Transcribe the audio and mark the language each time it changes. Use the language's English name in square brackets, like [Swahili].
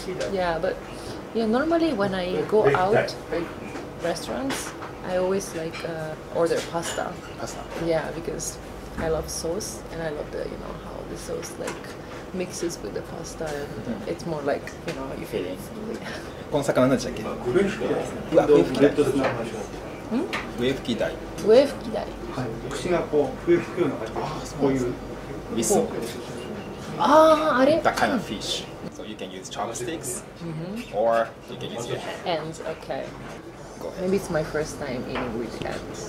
[English] Yeah, but yeah. Normally, when I go out like restaurants, I always like order pasta. Pasta. Yeah, because I love sauce and I love the, you know, how the sauce like mixes with the pasta and it's more like, you know, you feel it. [Japanese] この魚なんでしたっけ？フレッシュ。うわ、フレッシュ。ん？笛吹き台。笛吹き台。はい。口がこう笛吹くような感じ。ああ、こういう。ウィスク。ああ、あれ。 [English] That kind of fish. So you can use chopsticks, or you can use your hands. Hands, okay. Maybe it's my first time eating with hands.